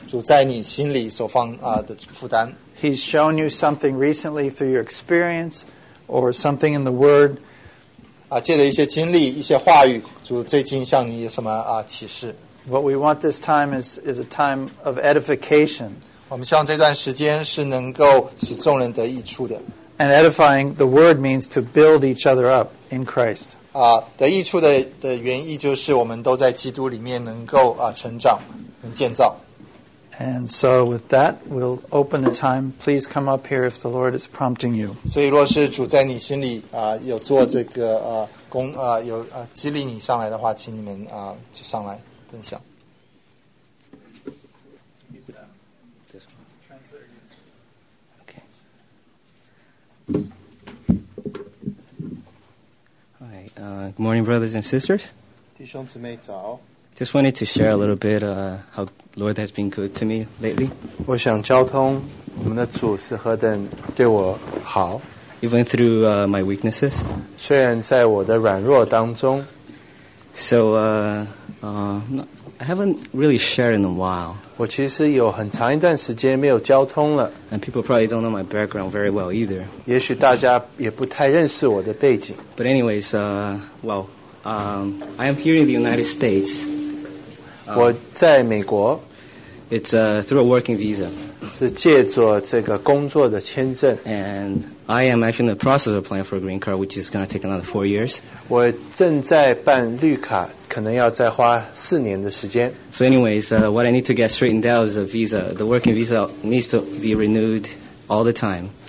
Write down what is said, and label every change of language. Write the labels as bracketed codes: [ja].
[zh] 但是我们实在是想要听到说主在你心里所放, 的负担。 [en] He's shown you something recently through your experience or something in the Word. [zh] 借着一些经历, 一些话语, 主最近向你有什么, [en] What we want this time is a time of edification. [zh] 我们希望这段时间是能够使众人得益处的。 [en] And edifying, the word means to build each other up in Christ. [zh] 得益处的原意就是我们都在基督里面能够, 成长, 能建造。 [en] And so with that, we'll open the time. Please come up here if the Lord is prompting you. [zh] 所以若是主在你心里, 有做这个, 工, 有, 激励你上来的话, 请你们, 去上来分享。 [en] Good morning, brothers and sisters. [zh] 弟兄姊妹早. [en] Just wanted to share a little bit how Lord has been good to me lately. [zh] 我想交通我们的主是何等对我好. [en] Even through my weaknesses. [zh] 虽然在我的软弱当中. [en] So I haven't really shared in a while. [zh] 我其实有很长一段时间没有交通了. [en] And people probably don't know my background very well either. [zh] 也许大家也不太认识我的背景. [en] But anyways, I am here in the United States. [zh] 我在美国. [en] It's through a working visa. [zh] 是借着这个工作的签证. [en] And I am actually in the process of applying for a green card, which is going to take another 4 years. [zh] 我正在办绿卡. [en] So anyways, what I need to get straightened out is a visa. The working visa needs to be renewed all the time.